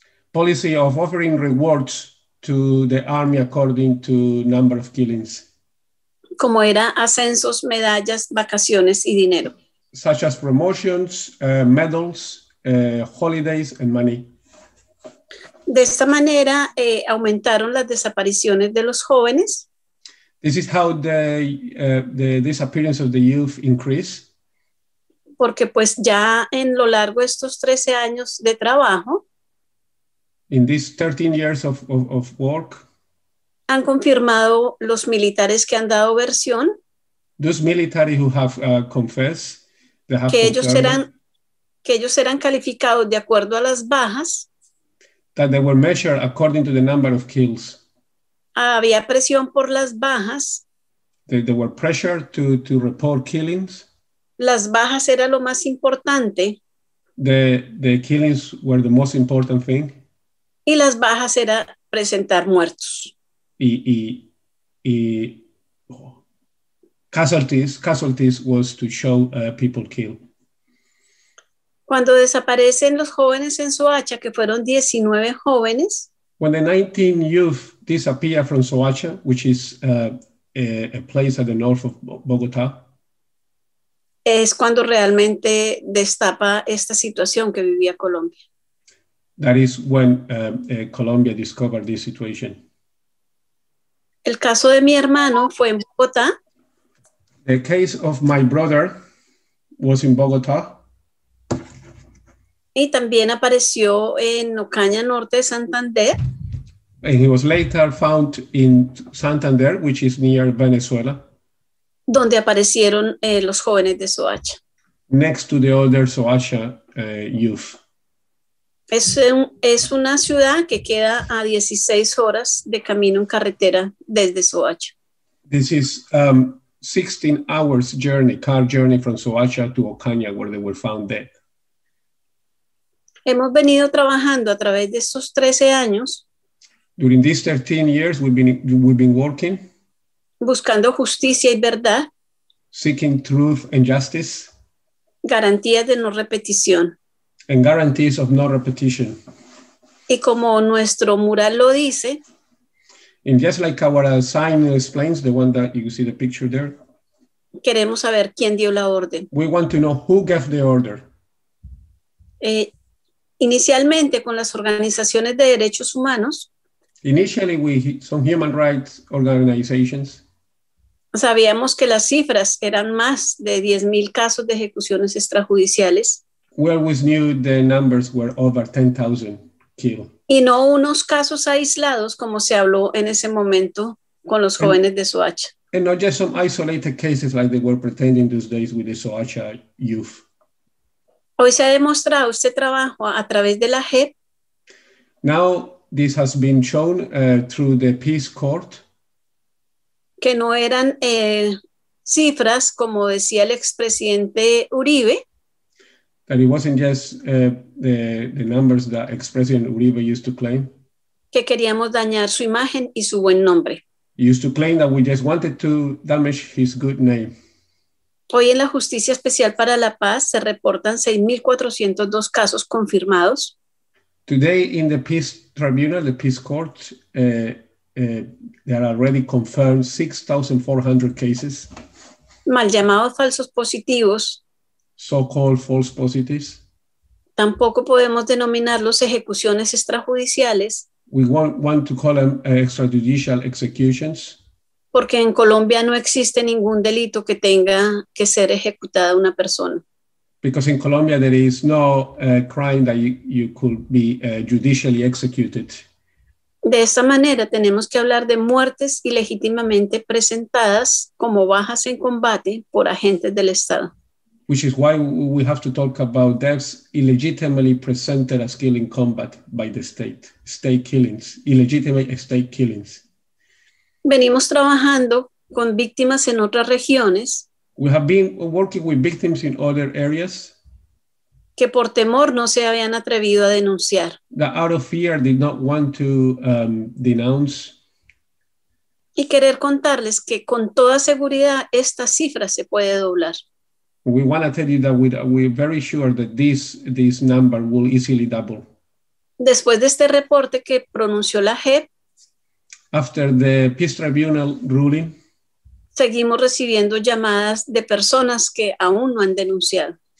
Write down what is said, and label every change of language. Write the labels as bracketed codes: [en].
[en] Policy of offering rewards to the army according to number of killings. [es] Como era ascensos, medallas, vacaciones y dinero. [en] Such as promotions, medals, holidays and money. [es] De esta manera aumentaron las desapariciones de los jóvenes. [en] This is how the disappearance of the youth increase. [es] Porque pues ya en lo largo de estos 13 años de trabajo. [en] In these 13 years of work. [es] Han confirmado los militares que han dado versión. [en] Those military who have confessed. They have [es] que ellos eran calificados de acuerdo a las bajas. [en] That they were measured according to the number of kills. [es] Había presión por las bajas. [en] There were pressure to report killings. [es] Las bajas era lo más importante. [en] The killings were the most important thing. [es] Y las bajas era presentar muertos. [en] Y casualties was to show people killed. [es] Cuando desaparecen los jóvenes en Soacha, que fueron 19 jóvenes. [en] When the 19 youth disappear from Soacha, which is a place at the north of Bogotá. [es] Es cuando realmente destapa esta situación que vivía Colombia. [en] That is when Colombia discovered this situation. [es] El caso de mi hermano fue en Bogotá. [en] The case of my brother was in Bogotá. [es] Y también apareció en Ocaña Norte de Santander. [en] And he was later found in Santander, which is near Venezuela. [es] Donde aparecieron los jóvenes de Soacha. [en] Next to the other Soacha youth. [es] Es una ciudad que queda a 16 horas de camino en carretera desde Soacha. [en] This is 16 hours journey, car journey from Soacha to Ocaña, where they were found dead. [es] Hemos venido trabajando a través de estos 13 años. [en] During these 13 years, we've been working. [es] Buscando justicia y verdad. [en] Seeking truth and justice. [es] Garantías de no repetición. [en] And guarantees of no repetition. [es] Y como nuestro mural lo dice. [en] And just like our sign explains, the one that you see the picture there. [es] Queremos saber quién dio la orden. [en] We want to know who gave the order. [es] Inicialmente con las organizaciones de derechos humanos. [en] Initially with some human rights organizations. [es] Sabíamos que las cifras eran más de 10,000 casos de ejecuciones extrajudiciales. [en] We always knew the numbers were over 10,000 killed. [es] Y no unos casos aislados como se habló en ese momento con los jóvenes de Soacha. [en] And not just some isolated cases like they were pretending these days with the Soacha youth. [es] Hoy se ha demostrado este trabajo a través de la JEP. [en] Now this has been shown through the Peace Court. [es] Que no eran cifras, como decía el expresidente Uribe. [en] That it wasn't just the numbers that ex-president Uribe used to claim. [es] Que queríamos dañar su imagen y su buen nombre. [en] He used to claim that we just wanted to damage his good name. [es] Hoy en la Justicia Especial para la Paz se reportan 6,402 casos confirmados. [en] Today in the Peace Tribunal, the Peace Court, there are already confirmed 6,400 cases. [es] Mal llamados falsos positivos. [en] So-called false positives. [es] Tampoco podemos denominarlos ejecuciones extrajudiciales. [en] We want to call them extrajudicial executions. [es] Porque en Colombia no existe ningún delito que tenga que ser ejecutada una persona. [en] Because in Colombia there is no crime that you could be judicially executed. [es] De esa manera tenemos que hablar de muertes ilegítimamente presentadas como bajas en combate por agentes del Estado. [en] Which is why we have to talk about deaths illegitimately presented as killing combat by the state. State killings, illegitimate state killings. [es] Venimos trabajando con víctimas en otras regiones. [en] We have been working with victims in other areas. [es] Que por temor no se habían atrevido a denunciar. [en] That out of fear did not want to denounce. [es] Y querer contarles que con toda seguridad esta cifra se puede doblar. [en] We want to tell you that we're very sure that this number will easily double. [es] Después de este reporte que pronunció la JEP, [en] after the Peace Tribunal ruling, [es] seguimos recibiendo llamadas de personas que aún no han denunciado.